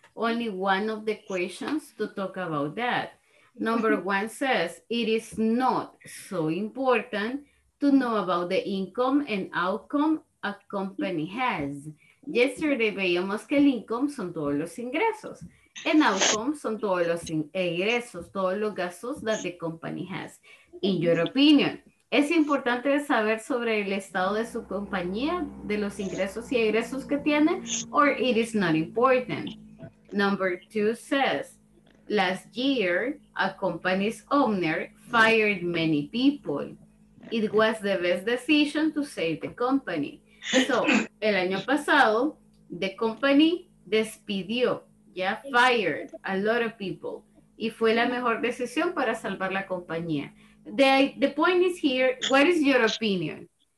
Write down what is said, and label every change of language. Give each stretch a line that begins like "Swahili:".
English: Only one of the questions to talk about that. Number one says, it is not so important to know about the income and outcome a company has.
Spanish: Yesterday, veíamos que el income son todos los ingresos. And outcome son todos los ingresos, todos los gastos
English: that the company has. In your opinion,
Spanish: ¿es importante saber sobre el estado de su compañía, de los ingresos y egresos que tiene?
English: Or it is not important. Number two says, last year, a company's owner fired many people. It was the best decision to save the company. So,
Spanish: el año pasado,
English: the company
Spanish: despidió,
English: fired a lot of people.
Spanish: y fue la mejor decisión para salvar la compañía.
English: The point is here, what is your opinion?